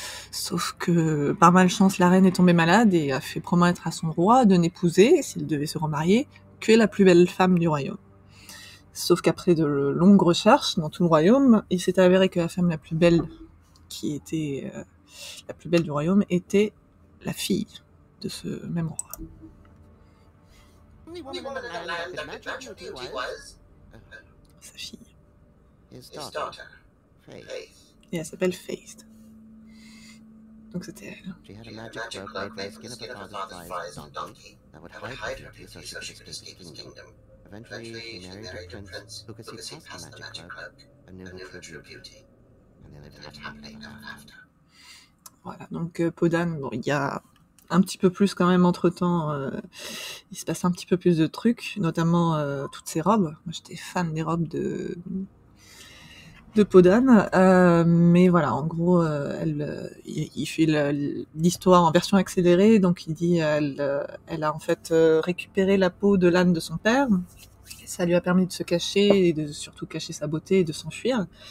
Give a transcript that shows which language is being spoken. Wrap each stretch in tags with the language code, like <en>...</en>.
<fr>Sauf que, par malchance, la reine est tombée malade et a fait promettre à son roi de n'épouser, s'il devait se remarier, que la plus belle femme du royaume. Sauf qu'après de longues recherches dans tout le royaume, il s'est avéré que la femme la plus belle, qui était la plus belle du royaume, était la fille de ce même roi.</fr> <en>only woman in the land that could match her beauty was...</en> <fr>Sa fille.</fr> <en>His daughter.</en> <fr>Faith. Yeah, elle s'appelle Faith. Donc c'était elle.</fr> <en>She had a magic cloak made from the skin of her father's thighs and donkey that would hide her beauty so she could escape his kingdom. Eventually, she married a prince who could see past the magic cloak and knew her true beauty. And they lived happily ever after.</en> <fr>Voilà, donc Podan, bon, il y a un petit peu plus quand même entre-temps, il se passe un petit peu plus de trucs, notamment toutes ces robes. Moi, j'étais fan des robes de Podan, mais voilà, en gros, il fait l'histoire en version accélérée, donc il dit elle a en fait récupéré la peau de l'âne de son père, ça lui a permis de se cacher, et de surtout cacher sa beauté et de s'enfuir,</fr>